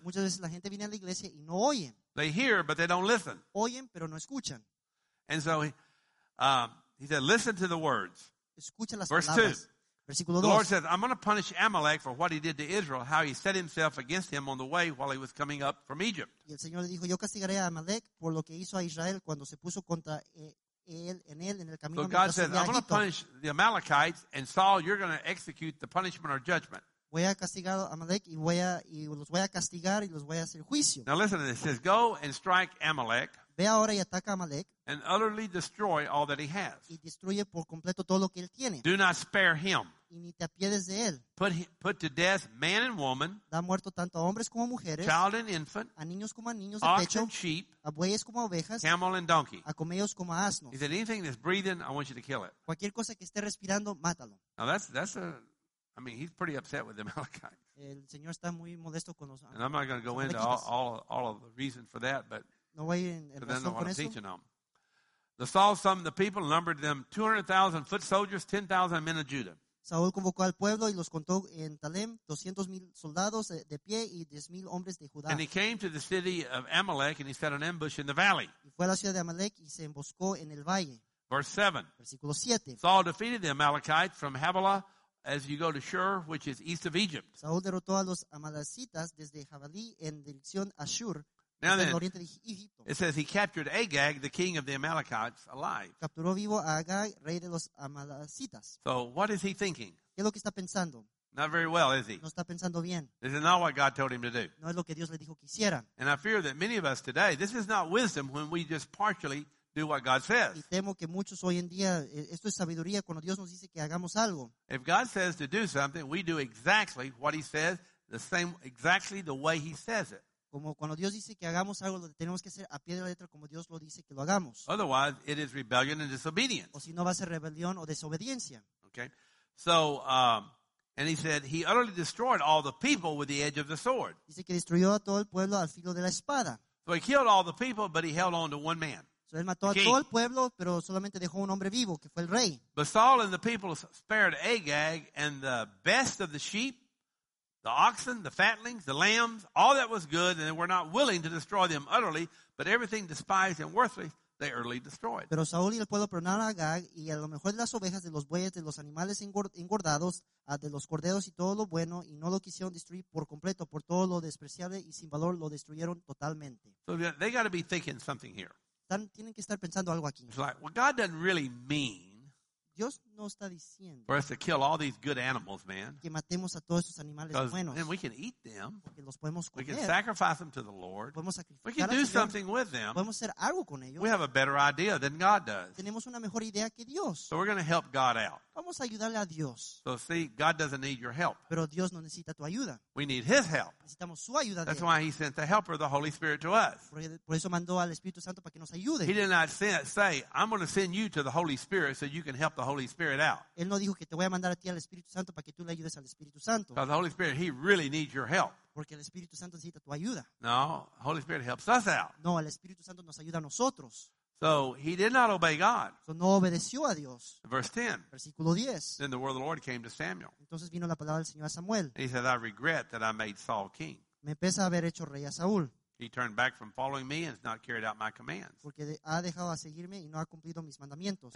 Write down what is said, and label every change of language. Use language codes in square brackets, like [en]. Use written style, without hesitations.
[es] Muchas veces la gente viene a la iglesia y no oyen. [en] They hear, but they don't listen. [es] Oyen, pero no escuchan. [en] And so he said, listen to the words. [es] Escucha las [en] verse [es] palabras. [en] 2. The Lord says, I'm going to punish Amalek for what he did to Israel, how he set himself against him on the way while he was coming up from Egypt. [es] Y el Señor le dijo, yo castigaré a Amalek por lo que hizo a Israel cuando se puso contra [en] So God says, I'm going to punish the Amalekites, and Saul, you're going to execute the punishment or judgment. Now listen to this. It says, go and strike Amalek. [es] Ve ahora y ataca a Amalek. [en] And utterly destroy all that he has. [es] Y destruye por completo todo lo que él tiene. [en] Do not spare him. [es] Y ni te apiedes de él. [en] Put to death man and woman. [es] Da muerto tanto a hombres como a mujeres. [en] Child and infant. [es] A niños como a niños de pecho. [en] Ox and sheep. [es] A bueyes como a ovejas. [en] Camel and donkey. [es] A camellos como a asnos. [en] Is there anything that's breathing? I want you to kill it. [es] Cualquier cosa que esté respirando, mátalo. [en] Now I mean, he's pretty upset with the Amalekites. [es] El Señor está muy molesto con los. [en] And I'm not going to go into all of the reason for that, but. No way [es] en razón [en] then [es] con [en] I'm [es] eso. [en] Teaching them. The Saul summoned the people, numbered them 200,000 foot soldiers, 10,000 men of Judah. [es] Saúl convocó al pueblo y los contó en Talem 200,000 soldados de pie y 10,000 hombres de Judá. [en] And he came to the city of Amalek and he set an ambush in the valley. [es] Y fue a la ciudad de Amalek y se emboscó en el valle. [en] Verse 7. [es] Versículo 7. [en] Saul defeated the Amalekites from Havilah as you go to Shur, which is east of Egypt. [es] Saúl derrotó a los amalecitas desde Jabalí en dirección a Shur. [en] Now then, it says he captured Agag, the king of the Amalekites, alive. [es] Capturó vivo a Agag, rey de los Amalecitas. [en] So what is he thinking? [es] ¿Qué es lo que está pensando? [en] Not very well, is he? [es] No está pensando bien. [en] This is not what God told him to do. [es] No es lo que Dios le dijo que hiciera. [en] And I fear that many of us today, this is not wisdom when we just partially do what God says. [es] Y temo que muchos hoy en día, esto es sabiduría cuando Dios nos dice que hagamos algo. [en] If God says to do something, we do exactly what he says, exactly the way he says it. [es] Como cuando Dios dice que hagamos algo, lo tenemos que hacer a pie de la letra como Dios lo dice que lo hagamos. [en] Otherwise, it is rebellion and disobedience. [es] O si no, va a ser rebelión o desobediencia. [en] Okay. So, and he said, he utterly destroyed all the people with the edge of the sword. [es] Dice que destruyó a todo el pueblo al filo de la espada. [en] So he killed all the people, but he held on to one man. [es] So él mató a todo el pueblo, pero solamente dejó un hombre vivo, que fue el rey. [en] But Saul and the people spared Agag and the best of the sheep, the oxen, the fatlings, the lambs, all that was good, and they were not willing to destroy them utterly, but everything despised and worthless, they utterly destroyed. [es] Pero Saúl y el pueblo perdonaron a Agag, y a lo mejor de las ovejas, de los bueyes, de los animales engordados, de los corderos y todo lo bueno, y no lo quisieron destruir por completo, por todo lo despreciable y sin valor, lo destruyeron totalmente. [en] So they got to be thinking something here. [es] Tienen que estar pensando algo aquí. [en] It's like, well, God doesn't really mean [es] Dios no está diciendo [en] for us to kill all these good animals, man. [es] Que matemos a todos estos animales buenos. [en] And we can eat them. [es] Porque los podemos comer. [en] We can sacrifice them to the Lord. [es] Podemos sacrificar [en] we can do [es] a Señor. [en] Something with them. [es] Podemos hacer algo con ellos. [en] We have a better idea than God does. [es] Tenemos una mejor idea que Dios. [en] So we're going to help God out. [es] Vamos a ayudarle a Dios. [en] So see, God doesn't need your help. [es] Pero Dios no necesita tu ayuda. [en] We need his help. [es] Necesitamos su ayuda. [en] That's why he sent the helper, the Holy Spirit, to us. [es] Por eso mandó al Espíritu Santo para que nos ayude. [en] He did not say, I'm going to send you to the Holy Spirit so you can help the Holy Spirit out. [es] Él no dijo que te voy a mandar a ti al Espíritu Santo para que tú le ayudes al Espíritu Santo. [en] Because the Holy Spirit, he really needs your help. [es] Porque el Espíritu Santo necesita tu ayuda. [en] No, the Holy Spirit helps us out. [es] No, el Espíritu Santo nos ayuda a nosotros. [en] So he did not obey God. [es] So no obedeció a Dios. [en] Verse 10. [es] Versículo 10. [en] Then the word of the Lord came to Samuel. [es] Entonces vino la palabra del Señor a Samuel. [en] He said, I regret that I made Saul king. [es] Me pesa haber hecho rey a Saúl. [en] He turned back from following me and has not carried out my commands. [es] Porque ha dejado a seguirme y no ha cumplido mis mandamientos.